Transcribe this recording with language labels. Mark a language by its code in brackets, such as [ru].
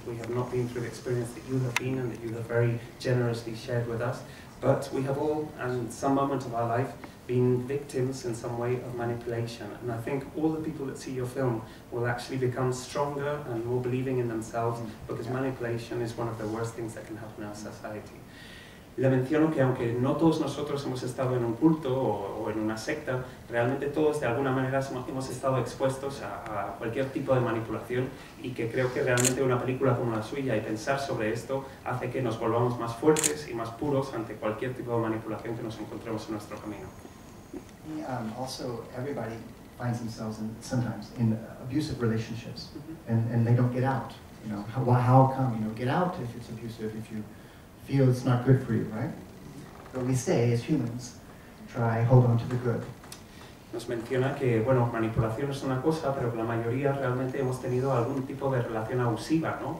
[en] We have not been through the experience that you have been and that you have very generously shared with us. But we have all, in some moment of our life, been victims in some way of manipulation. And I think all the people that see your film will actually become stronger and more believing in themselves, because manipulation is one of the worst things that can happen in our society. [es] Le menciono que aunque no todos nosotros hemos estado en un culto o en una secta, realmente todos de alguna manera hemos estado expuestos a cualquier tipo de manipulación, y que creo que realmente una película como la suya y pensar sobre esto hace que nos volvamos más fuertes y más puros ante cualquier tipo de manipulación que nos encontremos en nuestro camino. [en] Also, everybody finds themselves sometimes in abusive relationships, and they don't get out. You know, how come? You know, get out if it's abusive, if you feel it's not good for you, right? But we say, as humans, try hold on to the good. [es] Nos menciona que, bueno, manipulación es una cosa, pero que la mayoría realmente hemos tenido algún tipo de relación abusiva, ¿no?